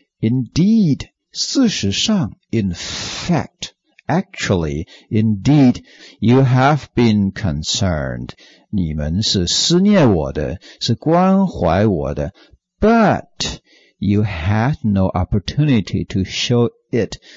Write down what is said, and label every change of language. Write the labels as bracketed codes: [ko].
[en] Indeed， [zh] 事实上， [en] in factActually, indeed, you have been concerned. [zh] 你们是思念我的，是关怀我的。 [en] But you had no opportunity to show it.